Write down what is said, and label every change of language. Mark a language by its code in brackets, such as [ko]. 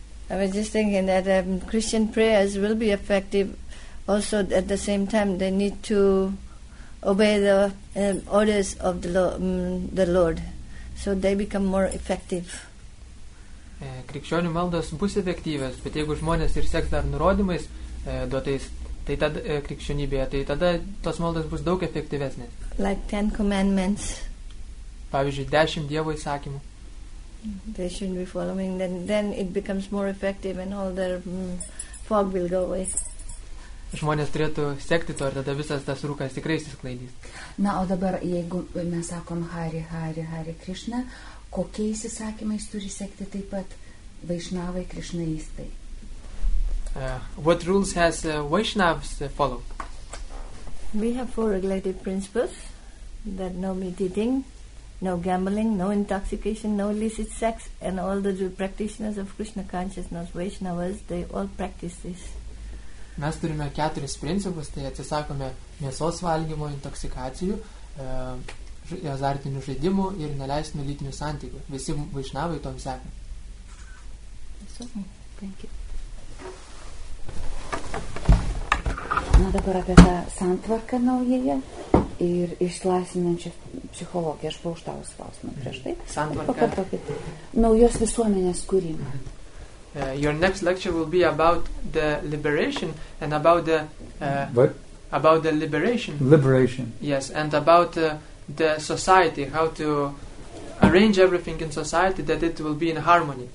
[en] I was just thinking that Christian prayers will be effective. Also, at the same time, they need to obey the orders of the Lord, so they become more effective. [lt] Krikščionių maldos bus efektyvės, bet jeigu žmonės ir seks dar nurodymais duotais, tai tada krikščionybėje, tai tada tos maldos bus daug efektyvesnės. [en] Like 10 commandments. [lt] Pavyzdžiui, 10 Dievo įsakymų. [en] They should be following, then it becomes more effective and all their fog will go away. [lt] Žmonės turėtų sekti to ir tada visas tas rūkas tikrai išsisklaidys. Na, o dabar, jeigu mes sakom Hari, Hari, Hari Krishna, kokiais įsakymais turi sekti taip pat Vaishnavai, Krishnaistai? [en] What rules has Vaishnavs follow? We have four regulated principles, that no meat eating, no gambling, no intoxication, no illicit sex, and all the practitioners of Krishna consciousness, Vaishnavas, they all practice this. [lt] Mes turime keturis principus, tai atsisakome mėsos valgymo, intoksikacijų, azartinių žaidimų ir neleistinių lytinių santykių. Visi vaišnavai tom sekė. Na dabar apie tą santvarką naująją ir išsilaisvinančią psichologiją. Aš buvau užtavus klausimą prieš tai. Santvarka. Naujos visuomenės kūrimą. [en] Your next lecture will be about the liberation and about the what? About the liberation. Liberation. Yes, and about the society, how to arrange everything in society that it will be in harmony.